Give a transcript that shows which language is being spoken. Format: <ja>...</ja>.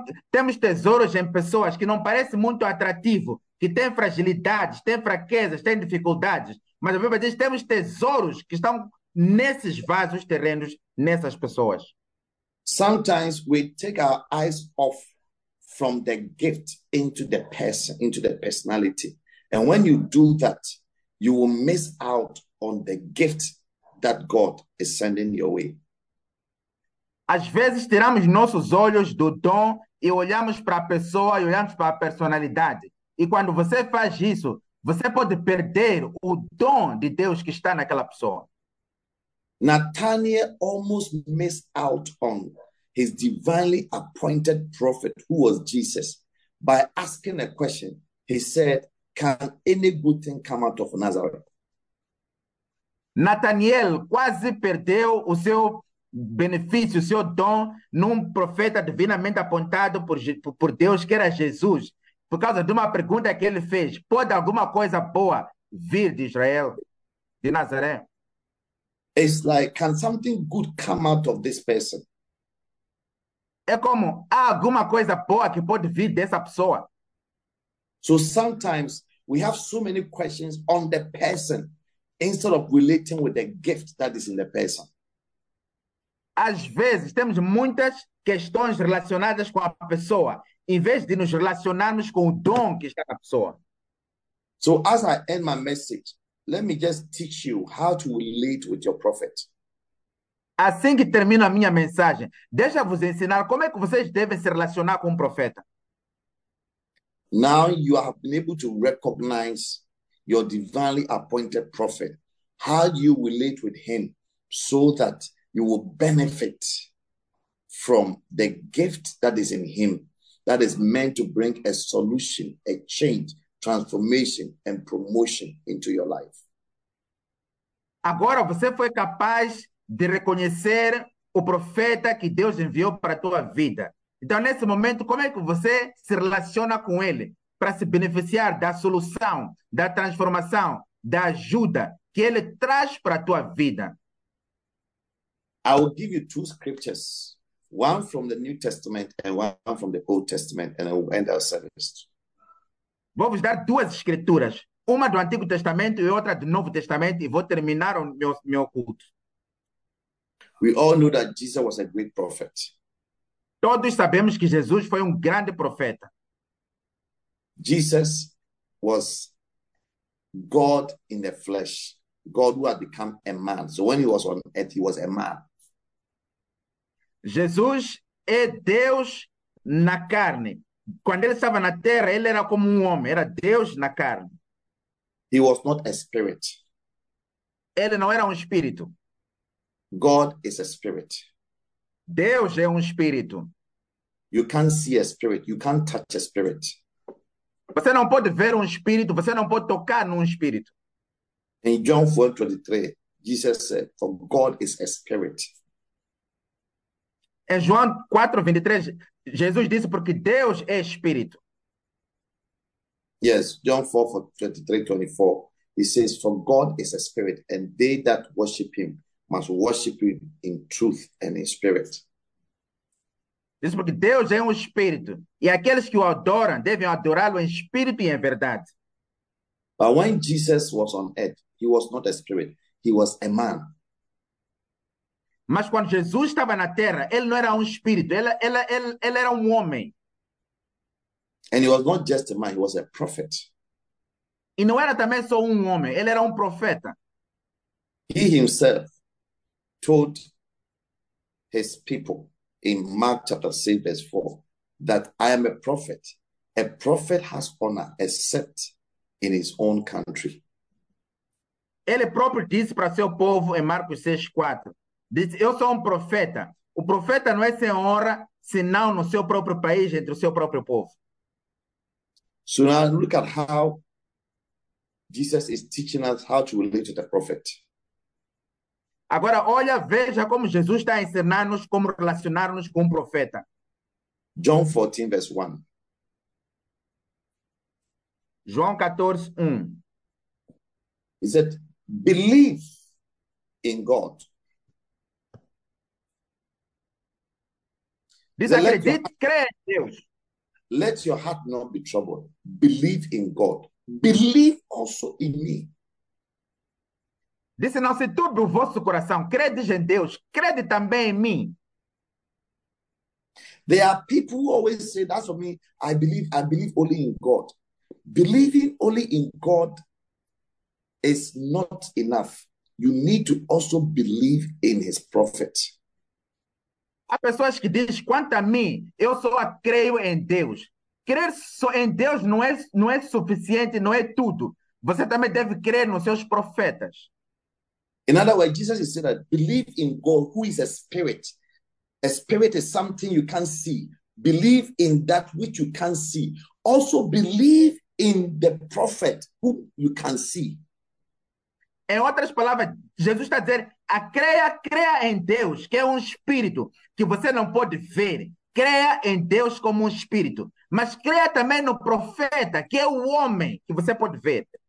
<pt>Temos tesouros em pessoas que não parecem muito atrativo, que têm fragilidades, têm fraquezas, têm dificuldades. Mas a Bíblia diz, temos tesouros que estão nesses vasos terrenos, nessas pessoas.</pt> <en>Sometimes we take our eyes off from the gift into the person, into the personality. And when you do that, you will miss out on the gift that God is sending your way.</en> <pt>Às vezes tiramos nossos olhos do dom e olhamos para a pessoa e olhamos para a personalidade. E quando você faz isso, você pode perder o dom de Deus que está naquela pessoa.</pt> <en>Nathaniel almost missed out on his divinely appointed prophet, who was Jesus, by asking a question. He said, can any good thing come out of Nazareth?</en> <pt>Nathaniel quase perdeu o seu benefício, o seu dom num profeta divinamente apontado por Deus, que era Jesus, por causa de uma pergunta que ele fez: pode alguma coisa boa vir de Israel, de Nazaré?</pt> <en>It's like, can something good come out of this person?</en> <pt>É como: há alguma coisa boa que pode vir dessa pessoa?</pt> <en>So sometimes we have so many questions on the person instead of relating with the gift that is in the person.</en> <pt>Às vezes temos muitas questões relacionadas com a pessoa, em vez de nos relacionarmos com o dom que está na pessoa.</pt> <en>So as I end my message, let me just teach you how to relate with your prophet.</en> <pt>Assim que termino a minha mensagem, deixa-vos ensinar como é que vocês devem se relacionar com o profeta.</pt> <en>Now you have been able to recognize your divinely appointed prophet. How do you relate with him so that you will benefit from the gift that is in him that is meant to bring a solution, a change, transformation, and promotion into your life?</en> <pt>Agora você foi capaz de reconhecer o profeta que Deus enviou para a tua vida. Então, nesse momento, como é que você se relaciona com ele para se beneficiar da solução, da transformação, da ajuda que ele traz para a tua vida?</pt> <en>I will give you two scriptures, one from the New Testament and one from the Old Testament, and I will end our service.</en> <pt>Vou-vos dar duas escrituras. Uma do Antigo Testamento e outra do Novo Testamento, e vou terminar o meu culto.</pt> <en>We all know that Jesus was a great prophet.</en> <pt>Todos sabemos que Jesus foi um grande profeta.</pt> <en>Jesus was God in the flesh, God who had become a man. So when he was on earth, he was a man.</en> <pt>Jesus é Deus na carne. Quando ele estava na terra, ele era como homem, era Deus na carne.</pt> <en>He was not a spirit.</en> <pt>Ele não era espírito.</pt> <en>God is a spirit.</en> <pt>Deus é espírito.</pt> <en>You can't see a spirit. You can't touch a spirit.</en> <pt>Você não pode ver espírito. Você não pode tocar espírito.</pt> <en>In John 4:23, Jesus said, "For God is a spirit."</en> <pt>Em João 4:23, Jesus disse, porque Deus é espírito.</pt> <en>Yes, John 4:23-24. He says, "For God is a spirit, and they that worship him must worship him in truth and in spirit."</en> <pt>Diz porque Deus é espírito, e aqueles que o adoram devem adorá-lo em espírito e em verdade.</pt> <en>But when Jesus was on earth, he was not a spirit, he was a man.</en> <pt>Mas quando Jesus estava na terra, ele não era espírito, ele era homem.</pt> <en>And he was not just a man, he was a prophet.</en> <pt>E não era também só homem, ele era profeta.</pt> <en>He himself told his people in Mark chapter 6, verse 4, that I am a prophet. A prophet has honor except in his own country.</en> <pt>Ele próprio disse para seu povo em Marcos 6:4. Disse: "Eu sou profeta. O profeta não é sem honra, senão no seu próprio país, entre o seu próprio povo."</pt> <en>So now look at how Jesus is teaching us how to relate to the prophet.</en> <pt>Agora, olha, veja como Jesus está ensinando-nos como relacionar-nos com o profeta.</pt> <en>John 14, verse 1.</en> <pt>João 14, 1.</pt> <en>He said, "Believe in God."</en> <pt>Diz,</pt> <en>He said,</en> <pt>acredite, creia em Deus.</pt> <en>"Let your heart not be troubled. Believe in God. Believe also in me."</en> <pt>Disse, não se turbe o vosso coração, crede em Deus, crede também em mim.</pt> <en>There are people who always say, "That's for me. I believe only in God." Believing only in God is not enough. You need to also believe in his prophet.</en> <pt>Há pessoas que dizem, quanto a mim, eu só creio em Deus. Crer só em Deus não é suficiente, não é tudo. Você também deve crer nos seus profetas.</pt> <en>In other words, Jesus is saying that believe in God, who is a spirit. A spirit is something you can't see. Believe in that which you can't see. Also believe in the prophet who you can see.</en> <pt>Em outras palavras, Jesus está dizendo, creia em Deus, que é espírito, que você não pode ver. Creia em Deus como espírito. Mas creia também no profeta, que é homem, que você pode ver.</pt>